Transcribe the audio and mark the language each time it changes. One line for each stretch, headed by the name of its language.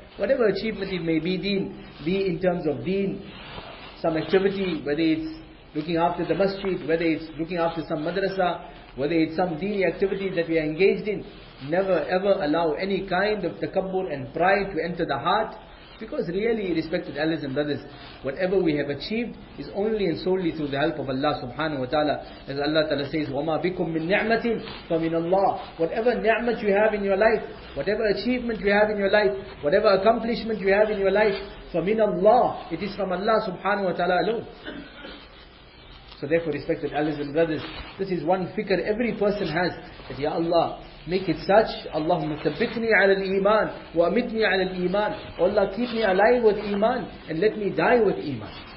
English: Whatever achievement it may be, deen, be in terms of deen, some activity, whether it's looking after the masjid, whether it's looking after some madrasa, whether it's some deen activity that we are engaged in, never ever allow any kind of takabbur and pride to enter the heart. Because really, respected elders and brothers, whatever we have achieved is only and solely through the help of Allah subhanahu wa ta'ala. As Allah ta'ala says,
Arabic: وَمَا بِكُم مِّن نِعْمَةٍ فَمِنَ اللَّهِ.
English: Whatever ni'mat you have in your life, whatever achievement you have in your life, whatever accomplishment you have in your life,
Arabic: فَمِنَ اللَّهِ.
English: It is from Allah subhanahu wa ta'ala alone. So therefore, respected elders and brothers, this is one fikr every person has, that Ya Allah, make it such,
Arabic: Allahumma thabbitni ala al-Iman,
English: wa amitni ala al-Iman, oh Allah, keep me alive with Iman, and let me die with Iman.